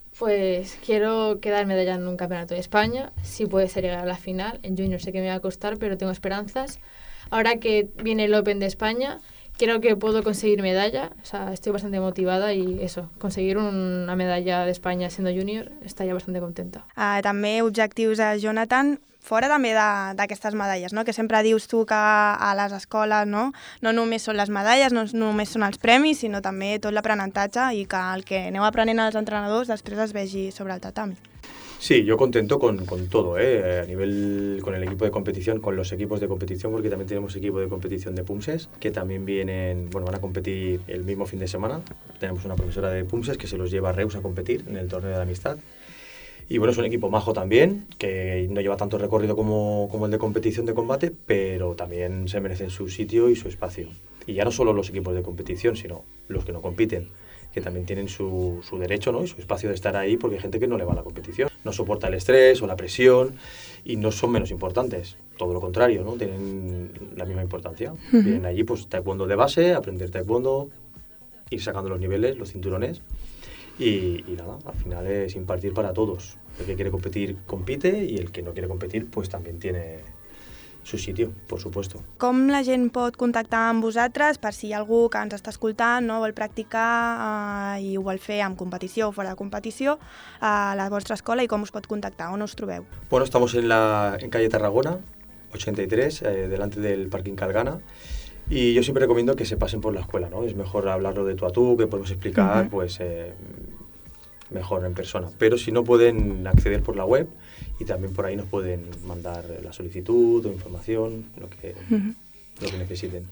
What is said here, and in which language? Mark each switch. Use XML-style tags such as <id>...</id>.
<es>Pues quiero quedar medalla en un campeonato de España. Si puede ser llegar a la final. En junior sé que me va a costar, pero tengo esperanzas. Ahora que viene el Open de España, creo que puedo conseguir medalla. O sea, estoy bastante motivada y eso, conseguir una medalla de España siendo junior, estaría bastante contenta.</es> <ca>També objectius a Jonathan, fora també d'aquestes medalles, no? Que sempre dius tu que a les escoles no només són les medalles, no només són els premis, sinó també tot l'aprenentatge i que el que aneu aprenent als entrenadors després es vegi sobre el tatami.</ca> <es>Sí, yo contento con todo, a nivel con el equipo de competición, con los equipos de competición, porque también tenemos equipo de competición de PUMSES, que también vienen, bueno, van a competir el mismo fin de semana. Tenemos una profesora de PUMSES que se los lleva a Reus a competir en el torneo de la amistad. Y bueno, es un equipo majo también, que no lleva tanto recorrido como el de competición de combate, pero también se merecen su sitio y su espacio. Y ya no solo los equipos de competición, sino los que no compiten, que también tienen su derecho, ¿no?, y su espacio de estar ahí, porque hay gente que no le va a la competición, no soporta el estrés o la presión y no son menos importantes, todo lo contrario, ¿no?, tienen la misma importancia. Vienen allí pues taekwondo de base, aprender taekwondo, ir sacando los niveles, los cinturones y nada, al final es impartir para todos. El que quiere competir, compite, y el que no quiere competir pues también tiene su sitio, por supuesto.</es> <ca>Com la gent pot contactar amb vosaltres per si hi ha algú que ens està escoltant, no vol practicar i ho vol fer en competició o fora de competició a la vostra escola i com us pot contactar, on us trobeu?</ca> <es>Bueno, estamos en calle Tarragona, 83, delante del parking Calgana, y yo siempre recomiendo que se pasen por la escuela, ¿no? Es mejor hablarlo de tú a tú, que podemos explicar, uh-huh, pues mejor en persona. Pero si no, pueden acceder por la web y también por ahí nos pueden mandar la solicitud o información, lo que necesiten.</es>